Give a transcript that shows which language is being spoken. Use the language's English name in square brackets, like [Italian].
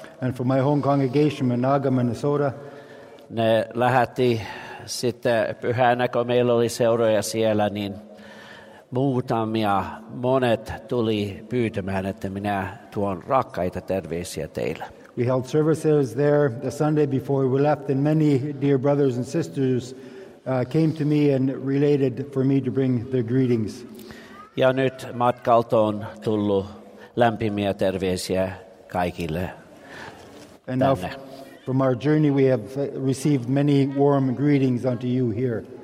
[English] And from my home congregation, Menaga, Minnesota. [Finnish] Ne lähti sitten pyhänä, kun meillä oli seuroja siellä, niin muutamia, monet tuli pyytämään, että minä tuon rakkaita terveisiä teille. [English] We held services there the Sunday before we left, and many dear brothers and sisters came to me and related for me to bring their greetings. [Finnish] Ja nyt matkalta on tullut lämpimiä terveisiä kaikille and tänne. [English] Now from our journey we have received many warm greetings unto you here.